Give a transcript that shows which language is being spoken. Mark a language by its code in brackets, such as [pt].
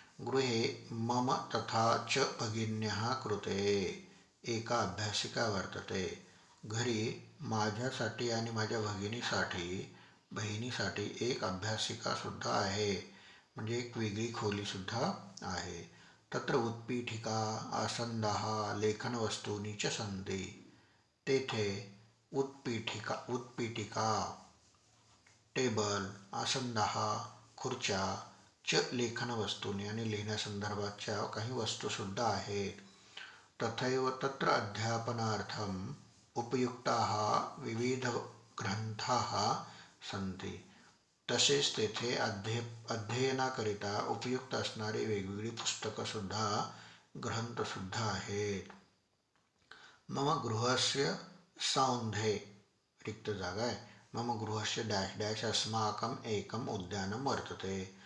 [sa] गृहे मम तथा च भगिन्यः कृते, एका अभ्यासिका वर्तते। [mr] घरी माझ्यासाठी आणि माझ्या भगिनीसाठी बहिणीसाठी एक अभ्यासिका सुद्धा आहे, म्हणजे एक वेगळी खोली सुद्धा आहे। [sa] तत्र उत्पीठिका, आसंदाः, लेखनवस्तूनि च सन्ति। [mr] तेथे उत्पीठिका, टेबल, आसंदाः, खुर्च्या च लेखनवस्तूनि आणि लिहिण्यासंदर्भाच्या काही वस्तूसुद्धा आहेत। [sa] तथैव तत्र अध्यापनार्थं उपयुक्ताः विविध ग्रंथाः सन्ति। [mr] तसेच तेथे अध्ययनाकरिता उपयुक्त असणारी वेगवेगळी पुस्तकंसुद्धा, ग्रंथसुद्धा आहेत। [sa] मम गृहस्य सौंधे, [mr] रिक्त जागा आहे, [sa] मम गृहस्य डॅश डॅश अस्माकं एकं उद्यानं वर्तते।